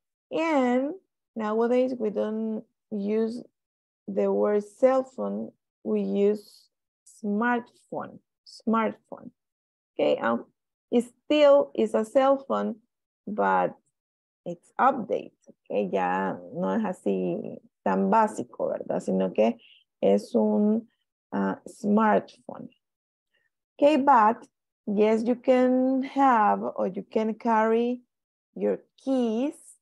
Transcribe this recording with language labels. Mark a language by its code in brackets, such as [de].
[en] And nowadays we don't use the word cell phone, we use smartphone. Okay, it still is a cell phone, but it's update. [es] Okay, ya no es así tan básico, ¿verdad? Sino que es un smartphone. [en] Okay, but yes, you can have or you can carry your keys.